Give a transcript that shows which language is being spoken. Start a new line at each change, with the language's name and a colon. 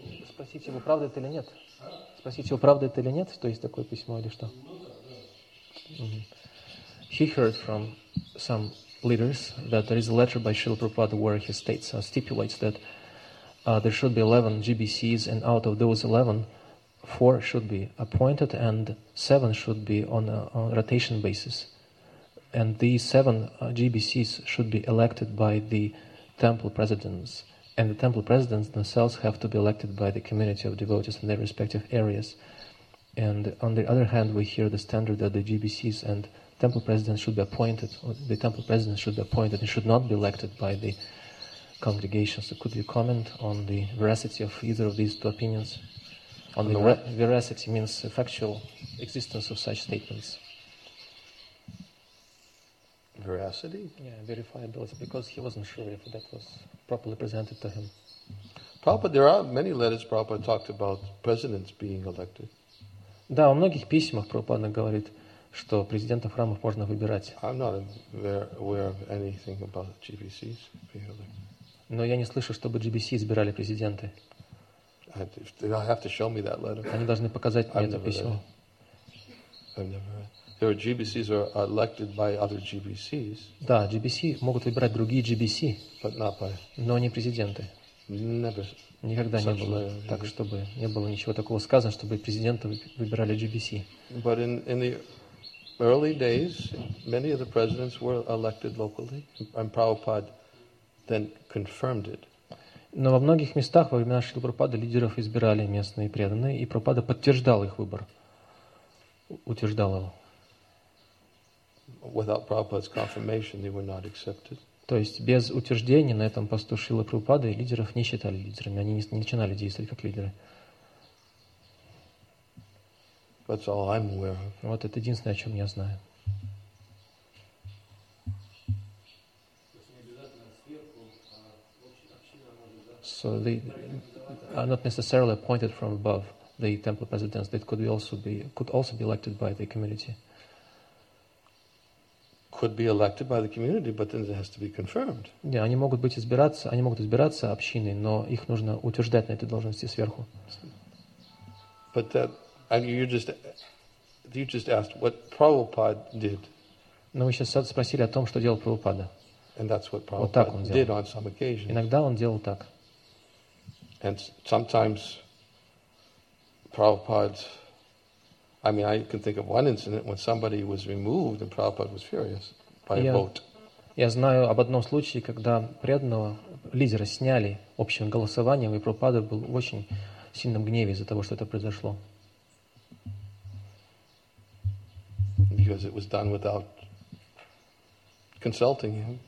Russian: Спросите его, правда это или нет? Спросите его, правда это или нет, что есть такое письмо или что?
English: He heard from some leaders that there is a letter by Srila Prabhupada where he states stipulates that there should be 11 GBCs and out of those 11, 4 should be appointed and 7 should be on a rotation basis. And these 7 GBCs should be elected by the temple presidents. And the temple presidents themselves have to be elected by the community of devotees in their respective areas. And on the other hand, we hear the standard that the GBCs and temple president should be appointed, or the temple president should be appointed and should not be elected by the congregation. So could you comment on the veracity of either of these two opinions? On the veracity means the factual existence of such statements. Veracity? Yeah, verifiability, because he wasn't sure if that was properly presented to him. Prabhupada, there are many letters Prabhupada talked about presidents being elected.
Russian: Да, во многих письмах Прабхупада говорит, что президентов храмов можно выбирать.
English: I'm not aware of anything about GBCs being elected.
Russian: Но я не слышу, чтобы GBC избирали президенты. Они должны показать мне это письмо.
English: Their GBCs are elected by other GBCs.
Russian: Да, GBC могут выбирать другие GBC,
English: but not by.
Russian: Но не президенты.
English: Never.
Russian: Никогда не было так, чтобы не было ничего такого сказано, чтобы президенты выбирали GBC.
English: But in the early days, many of the presidents were elected locally, and Prabhupada then confirmed it.
Russian: Но во многих местах во времена Шрилы Прабхупады лидеров избирали местные преданные, и Прабхупада подтверждал их выбор, утверждал его.
English: Without Prabhupada's confirmation, they were not accepted.
Russian: То есть без утверждения на этом посту Шрилы Прабхупады лидеров не считали лидерами, они не начинали действовать как лидеры.
English: That's all I'm aware of.
Russian: Вот это единственное, о чем я знаю.
English: So they are not necessarily appointed from above, the temple presidents. They could also be elected by the community. Could be elected by the community, but then it has to be confirmed.
Russian: Yeah, они могут быть избираться, они могут избираться общиной, но их нужно утверждать на этой должности сверху.
English: But that, and you just asked what Prabhupada did.
Russian: Но вы сейчас спросили о том, что делал Прабхупада.
English: And that's what Prabhupada did on some occasions.
Russian: Иногда он делал так.
English: And sometimes Prabhupada, I mean, I can think of one incident when somebody was removed and Prabhupada was furious by a vote.
Russian: Я знаю об одном случае, когда преданного лидера сняли общим голосованием, и Прабхупада был в очень сильном гневе из-за того, что это произошло.
English: Because it was done without consulting him.